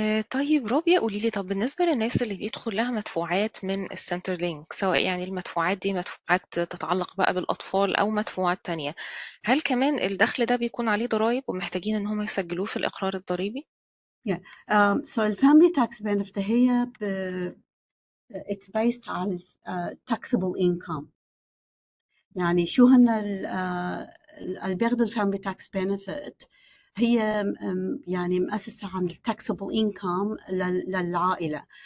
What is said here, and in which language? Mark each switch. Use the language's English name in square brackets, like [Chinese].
[Arabic] طيب روبيا، قولي لي، طب بالنسبة للناس اللي بيدخل لها مدفوعات من السنتر لينك، سواء يعني المدفوعات دي مدفوعات تتعلق بقى بالأطفال أو مدفوعات تانية، هل كمان الدخل ده بيكون عليه ضرائب ومحتاجين إن هم يسجلوه في الإقرار الضريبي؟ [English] So the family tax benefit هي it's based on taxable income. [Arabic] يعني شو هن ال بياخذوا الفاميلي تاكس بينفيت، هي يعني مؤسسة عن التاكسبل انكم للعائلة.